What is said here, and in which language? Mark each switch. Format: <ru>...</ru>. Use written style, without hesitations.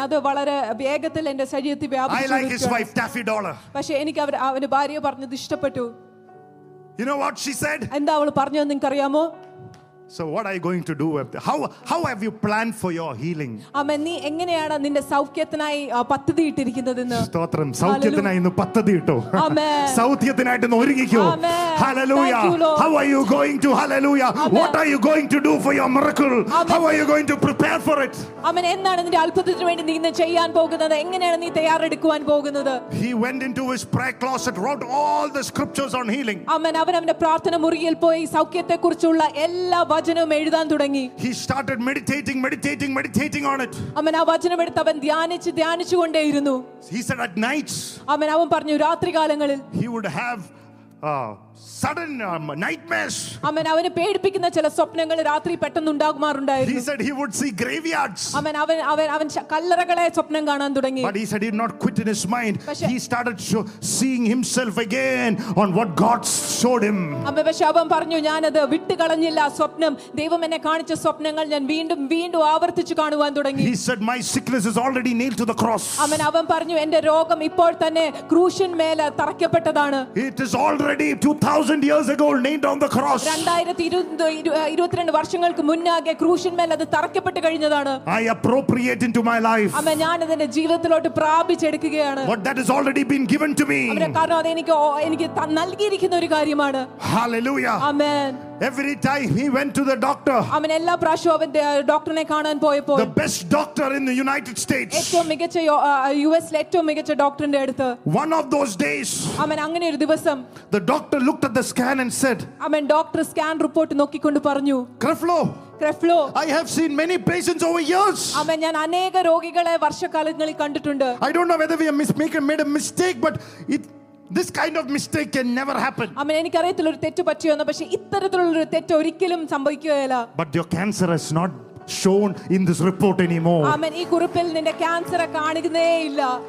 <ml>അത് വളരെ വേഗത്തിൽ എന്റെ ശരീരത്തിൽ വ്യാപിച്ചു.</ml> <en>I like his wife Taffy Dollar.</en> <ml>പക്ഷേ എനിക്ക് അവന്റെ ഭാര്യയെ പറഞ്ഞു ഇഷ്ടപ്പെട്ടു.</ml> <en>You know what she said?</en> <ml>എന്താ അവൾ പറഞ്ഞു എന്ന് നിങ്ങൾക്കറിയാമോ?</ml> <en>So what are you going to do with how have you planned for your healing? Amen.</en> <ml>നീ എങ്ങനെയാണ് നിന്റെ സൗഖ്യത്തിനായി പദ്ധതി ഇട്ടിരിക്കുന്നതെന്ന്? സ്തോത്രം. സൗഖ്യത്തിനായി ഇന്ന് പദ്ധതി ഇട്ടോ?</ml> <en>Amen.</en> <ml>സൗഖ്യത്തിനായിട്ട് ഒരുങ്ങിക്കോ.</ml> <en>Amen. Hallelujah. How are you going to hallelujah? Amen. What are you going to do for your miracle? Amen. How are you going to prepare for it? Amen.</en> <ml>എന്താണ് നിന്റെ അത്ഭുതത്തിന് വേണ്ടി നീ ഇന്ന് ചെയ്യാൻ പോകുന്നത്? എങ്ങനെയാണ് നീ തയ്യാറെടുക്കാൻ പോകുന്നത്?</ml> <en>He went into his prayer closet, wrote all the scriptures on healing. Amen.</en> <ml>അവൻ അവന്റെ പ്രാർത്ഥന മുറിയിൽ പോയി സൗഖ്യത്തെക്കുറിച്ചുള്ള എല്ലാ വചനവും എഴുതാൻ തുടങ്ങി.</ml> <en>He started meditating on it.</en> <ml>അവൻ ആ വചനം എടുത്ത് അവൻ ധ്യാനിച്ചു കൊണ്ടേയിരുന്നു.</ml> <en>He said at nights.</en> <ml>അവൻ അവൻ പറഞ്ഞു രാത്രികാലങ്ങളിൽ.</ml> <en>He would have sudden nightmares.</en> <ml>അവൻ അവനെ പേടിപ്പിക്കുന്ന ചില സ്വപ്നങ്ങൾ രാത്രി പെട്ടെന്ന് ഉണ്ടാകുമാറുണ്ടായിരുന്നു.</ml> <en>He said he would see graveyards.</en> <ml>അവൻ അവൻ അവൻ അവൻ കല്ലറകളെ സ്വപ്നം കാണാൻ തുടങ്ങി.</ml> <en>But he said he did not quit in his mind. He started seeing himself again on what God showed him.</en> <ml>അവൻ ശബം പറഞ്ഞു ഞാൻ അത് വിട്ടുകളഞ്ഞില്ല സ്വപ്നം ദൈവം എന്നെ കാണിച്ച സ്വപ്നങ്ങൾ ഞാൻ വീണ്ടും വീണ്ടും ആവർത്തിച്ച് കാണുവാൻ തുടങ്ങി.</ml> <en>He said my sickness is already nailed to the cross.</en> <ml>അവൻ അവൻ പറഞ്ഞു എൻ്റെ രോഗം ഇപ്പോൾ തന്നെ ക്രൂശിന്മേൽ തറയ്ക്കപ്പെട്ടതാണ്.</ml> <en>It is already 2000 years ago nailed on the cross.</en> <ml>2022 വർഷങ്ങൾക്ക് മുന്നാകെ ക്രൂശിന്മേൽ അത് തറയ്ക്കപ്പെട്ടു കഴിഞ്ഞതാണ്.</ml> <en>I appropriate into my life.</en> <ml>അമ്മ ഞാൻ അതിനെ ജീവിതത്തിലോട്ട് പ്രാപിച്ചെടുക്കുകയാണ്.</ml> <en>What that has already been given to me.</en> <ml>അവരെ കാരണം എനിക്ക് എനിക്ക് നൽകിയിരിക്കുന്ന ഒരു കാര്യമാണ്.</ml> <en>Hallelujah. Amen. Every time he went to the doctor.</en> <ml>അവനെ എല്ലാ പ്രാവശ്യവും അവന്റെ ഡോക്ടറിനെ കാണാൻ പോയപ്പോൾ.</ml> <en>The best doctor in the United States.</en> <ml>ഏറ്റവും മികച്ച യുഎസ് ഏറ്റവും മികച്ച ഡോക്ടറിന്റെ അടുത്ത്.</ml> <en>One of those days.</en> <ml>അവൻ അങ്ങനെ ഒരു ദിവസം.</ml> <en>The doctor looked at the scan and said.</en> <ml>അവൻ ഡോക്ടർ സ്കാൻ റിപ്പോർട്ട് നോക്കിക്കൊണ്ട് പറഞ്ഞു.</ml> <en>Creflo, I have seen many patients over years. Amen.</en> <ml>ഞാൻ അനേക രോഗികളെ വർഷകാലങ്ങളിൽ കണ്ടിട്ടുണ്ട്.</ml> <en>I don't know whether we made a mistake, but this kind of mistake can never happen.</en> <ml>അമ്മ എനിക്കറിയത്തില്ല ഒരു തെറ്റ് പറ്റിയോ എന്ന്, പക്ഷേ ഇത്തരത്തിലുള്ള ഒരു തെറ്റ് ഒരിക്കലും സംഭവിക്കുകയില്ല.</ml> <en>But your cancer has not shown in this report anymore.</en> <ml>അമ്മ ഈ കുറിപ്പിൽ നിന്റെ ക്യാൻസർ കാണുന്നേ ഇല്ല.</ml>